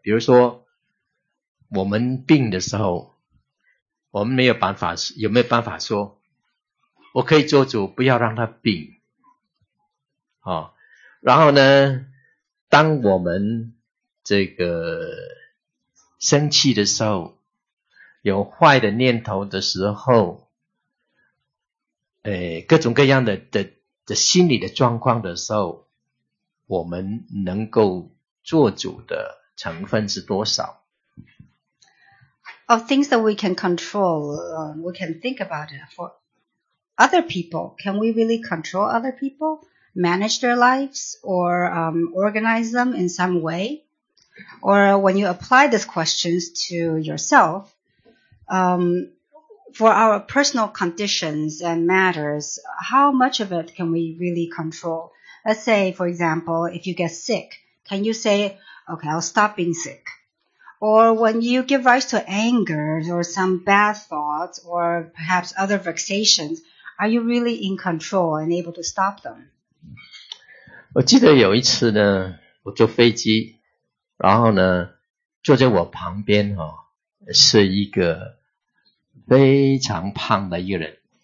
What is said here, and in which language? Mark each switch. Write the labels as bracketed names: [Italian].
[Chinese] 比如说我们病的时候，我们没有办法，有没有办法说我可以做主不要让他病、哦、然后呢，当我们这个生气的时候，有坏的念头的时候，各种各样 的心理的状况的时候，我们能够做主的成分是多少？ [English] Of things that we can control, we can think about it. For other people, can we really control other people? Manage their lives or organize them in some way? Or when you apply these questions to yourself, for our personal conditions and matters, how much of it can we really control? Let's say, for example, if you get sick, can you say, okay, I'll stop being sick? Or when you give rise to anger or some bad thoughts or perhaps other vexations, are you really in control and able to stop them? [Chinese] 我记得有一次呢，我坐飞机。然后呢，坐在我旁边哦，是一个非常胖的一个人。